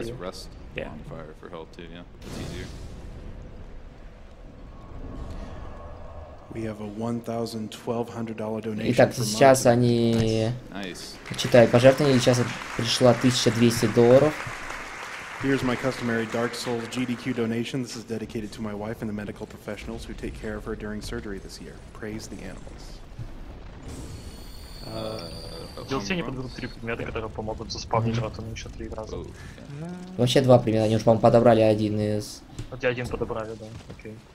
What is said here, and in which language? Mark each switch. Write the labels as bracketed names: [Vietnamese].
[English] Let's rest bonfire for help too, yeah. It's easier. We have a $1,200 donation. [Russian] Итак, сейчас они читают пожертвования, сейчас пришло $1,200. [English] Here's my customary Dark Souls GDQ donation. This is dedicated to my wife and the medical professionals who take care of her during surgery this year. Praise the animals. [Russian] DLC не подберут 3 предмета, которые помогут заспавнить ротом еще 3 раза. Вообще 2 предмета, они уже, по-моему, подобрали один из... Вот я один подобрали, да, окей.